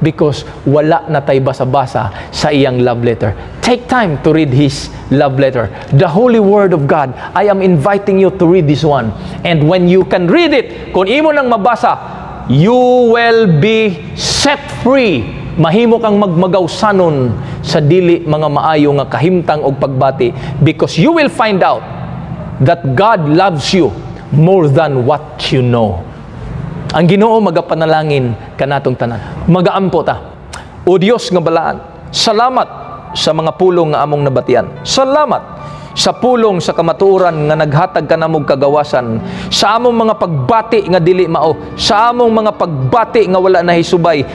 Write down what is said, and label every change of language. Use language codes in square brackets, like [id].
[en] Because [ceb] wala na tay basa-basa sa iyang love letter. [en] Take time to read His love letter. The Holy Word of God, I am inviting you to read this one. And when you can read it, [ceb] kung imo nang mabasa, [en] you will be set free. [ceb] Mahimo kang magmagawsanon sa dili mga maayong kahimtang o pagbati. [en] Because you will find out that God loves you more than what you know. [ceb] Ang Ginoo, magapanalangin ka natong tanan. Magaampo ta. O Diyos nga balaan, salamat sa mga pulong nga among nabatian. Salamat sa pulong sa kamatuoran nga naghatag ka namog kagawasan. Sa among mga pagbati nga dili mao. Sa among mga pagbati nga wala na hisubay.